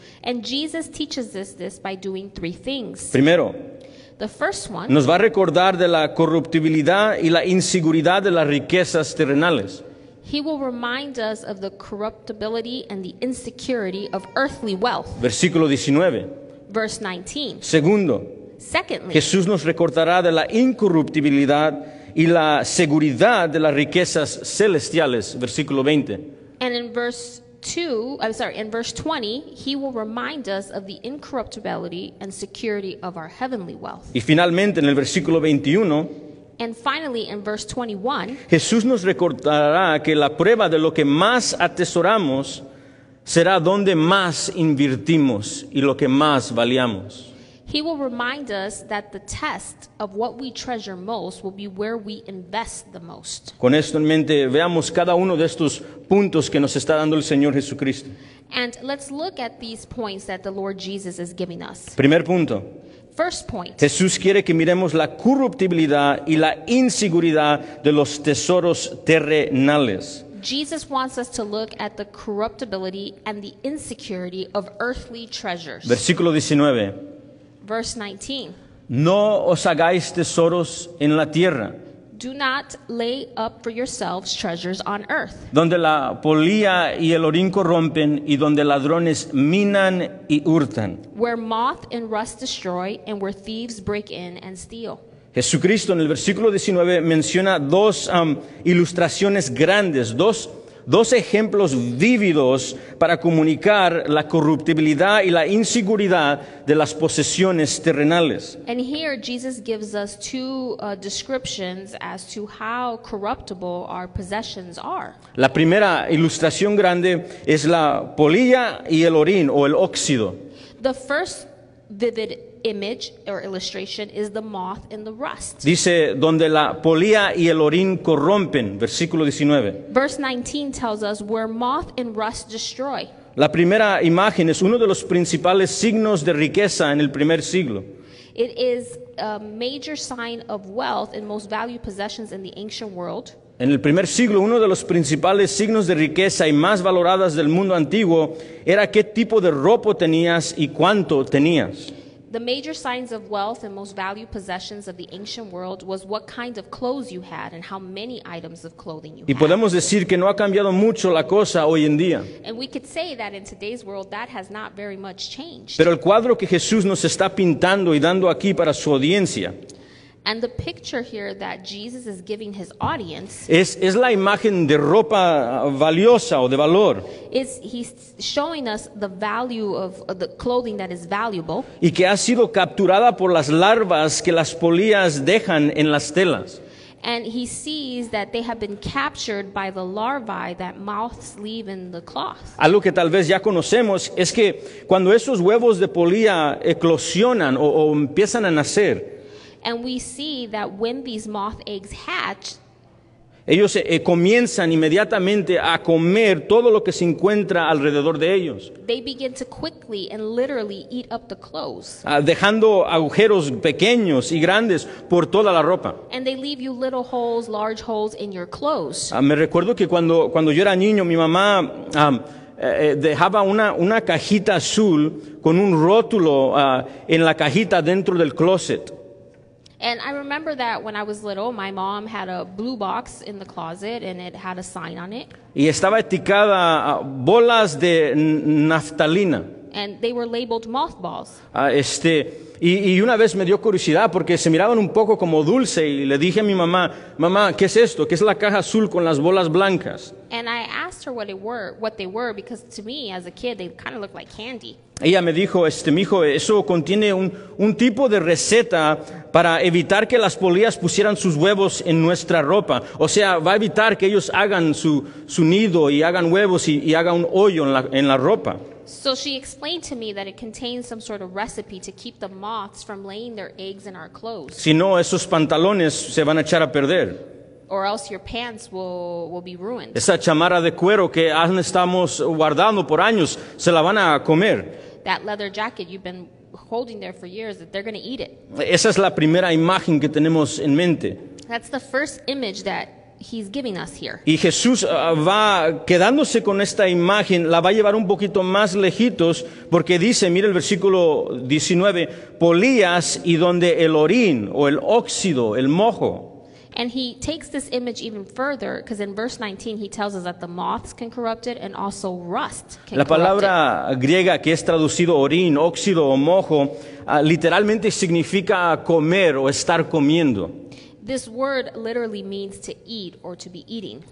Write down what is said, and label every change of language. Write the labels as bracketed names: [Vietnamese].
[English] And Jesus teaches us this by doing three things. [Spanish] Primero, [English] the first one, [Spanish] nos va a recordar de la corruptibilidad y la inseguridad de las riquezas terrenales. [English] He will remind us of the corruptibility and the insecurity of earthly wealth. [Spanish] Versículo 19. [English] Verse 19. [Spanish] Segundo, [English] secondly, [Spanish] Jesús nos recordará de la incorruptibilidad y la seguridad de las riquezas celestiales. Versículo 20. [English] And in verse 20, he will remind us of the incorruptibility and security of our heavenly wealth. [Spanish] Y finalmente, en el versículo 21, [English] and finally, in verse 21, [Spanish] Jesús nos recordará que la prueba de lo que más atesoramos será donde más invertimos y lo que más valiamos. [English] He will remind us that the test of what we treasure most will be where we invest the most. [Spanish] Con esto en mente, veamos cada uno de estos puntos que nos está dando el Señor Jesucristo. [English] And let's look at these points that the Lord Jesus is giving us. [Spanish] Primer punto. [English] First point. [Spanish] Jesús quiere que miremos la corruptibilidad y la inseguridad de los tesoros terrenales. [English] Jesus wants us to look at the corruptibility and the insecurity of earthly treasures. [Spanish] Versículo 19. [English] Verse 19. [Spanish] No os hagáis tesoros en la tierra. [English] Do not lay up for yourselves treasures on earth. [Spanish] Donde la polilla y el orín corrompen y donde ladrones minan y hurtan. [English] Where moth and rust destroy and where thieves break in and steal. [Spanish] Jesucristo en el versículo 19 menciona dos ilustraciones grandes, dos ejemplos vívidos para comunicar la corruptibilidad y la inseguridad de las posesiones terrenales. [English] And here Jesus gives us two descriptions as to how corruptible our possessions are. [Spanish] La primera ilustración grande es la polilla y el orín o el óxido. [English] The first vivid image or illustration is the moth and the rust. [Spanish] Dice donde la polilla y el orín corrompen, versículo 19. [English] Verse 19 tells us where moth and rust destroy. [Spanish] La primera imagen es uno de los principales signos de riqueza en el primer siglo. [English] It is a major sign of wealth and most valued possessions in the ancient world. [Spanish] En el primer siglo, uno de los principales signos de riqueza y más valoradas del mundo antiguo era qué tipo de ropa tenías y cuánto tenías. [English] The major signs of wealth and most valued possessions of the ancient world was what kind of clothes you had and how many items of clothing you had. [Spanish] Y podemos decir que no ha cambiado mucho la cosa hoy en día. [English] And we could say that in today's world that has not very much changed. [Spanish] Pero el cuadro que Jesús nos está pintando y dando aquí para su audiencia. [English] And the picture here that Jesus is giving his audience [Spanish] es la imagen de ropa valiosa o de valor. [English] Is he's showing us the value of the clothing that is valuable. [Spanish] Y que ha sido capturada por las larvas que las polillas dejan en las telas. [English] And he sees that they have been captured by the larvae that moths leave in the cloth. [Spanish] Algo que tal vez ya conocemos es que cuando esos huevos de polilla eclosionan o empiezan a nacer. [English] And we see that when these moth eggs hatch, [Spanish] ellos comienzan inmediatamente a comer todo lo que se encuentra alrededor de ellos. [English] They begin to quickly and literally eat up the clothes. [Spanish] Dejando agujeros pequeños y grandes por toda la ropa. [English] And they leave you little holes, large holes in your clothes. [Spanish] Me recuerdo que cuando yo era niño, mi mamá dejaba una cajita azul con un rótulo en la cajita dentro del closet. [English] And I remember that when I was little, my mom had a blue box in the closet, and it had a sign on it. [Spanish] Y estaba etiquetada bolas de naftalina. [English] And they were labeled mothballs. [Spanish] Y una vez me dio curiosidad porque se miraban un poco como dulce, y le dije a mi mamá, mamá, ¿qué es esto? ¿Qué es la caja azul con las bolas blancas? [English] And I asked her what they were, because to me, as a kid, they kind of looked like candy. [Spanish] Ella me dijo, mijo, eso contiene un tipo de receta para evitar que las polillas pusieran sus huevos en nuestra ropa. O sea, va a evitar que ellos hagan su nido y hagan huevos y hagan un hoyo en la ropa. [English] So she explained to me that it contains some sort of recipe to keep the moths from laying their eggs in our clothes. [Spanish] Si no, esos pantalones se van a echar a perder. [English] Or else your pants will be ruined. [Spanish] Esa chamarra de cuero que estamos guardando por años, se la van a comer. [English] That leather jacket you've been holding there for years, that they're going to eat it. [Spanish] Esa es la primera imagen que tenemos en mente. [English] That's the first image that he's giving us here. [Spanish] Y Jesús va quedándose con esta imagen, la va a llevar un poquito más lejitos, porque dice, mire el versículo 19, polillas y donde el orín, o el óxido, el mojo. [English] And he takes this image even further, because in verse 19 he tells us that the moths can corrupt it and also rust can corrupt it. [Spanish] La palabra griega que es traducido orín, óxido o mojo, literalmente significa comer o estar comiendo. [English] This word literally means to eat or to be eating.